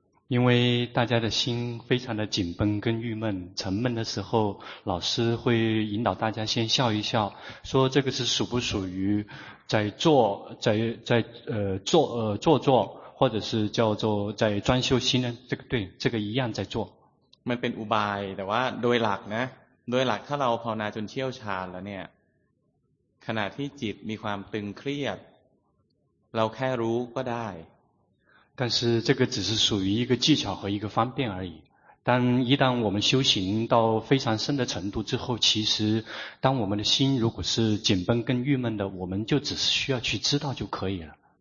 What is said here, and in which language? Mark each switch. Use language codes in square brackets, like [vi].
[zh] 因为大家的心非常的紧绷跟郁闷沉闷的时候老师会引导大家先笑一笑说这个是属不属于在做在做做做或者是叫做在专修心呢这个对这个一样在做 [th] มันเป็นอุบายแต่ว่าโดยหลักนะโดยหลักถ้าเราภาวนาจนเชี่ยวชาญแล้วเนี่ยขณะที่จิตมีความตึงเครียดเราแค่รู้ก็ได้ [zh] 但是这个只是属于一个技巧和一个方便而已。但一旦我们修行到非常深的程度之后，其实当我们的心如果是紧绷跟郁闷的，我们就只是需要去知道就可以了。